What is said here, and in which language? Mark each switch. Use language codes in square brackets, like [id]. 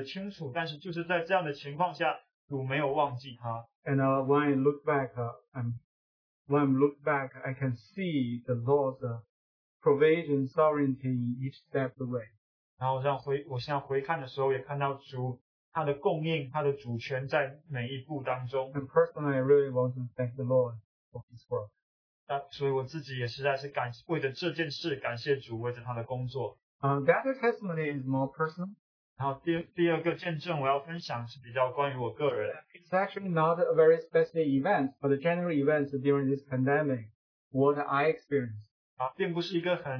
[zh] 我们看到在赵老弟兄身上，他这样年纪这么大，然后你知道他的思维也没有那么的清楚，但是就是在这样的情况下， 主没有忘记他。 [en] And when I look back, I can see the Lord's provision sovereignty each step of the way. [zh] 然后我现在回看的时候，也看到主他的供应，他的主权在每一步当中。 [en] And personally, I really want to thank the Lord for His work. [zh] 所以我自己也实在是感为着这件事感谢主，为着他的工作。 [en] The other testimony is more personal. [zh] 然后第二个见证我要分享是比较关于我个人。 [en] It's actually not a very specific event, but the general events during this pandemic, what I experienced.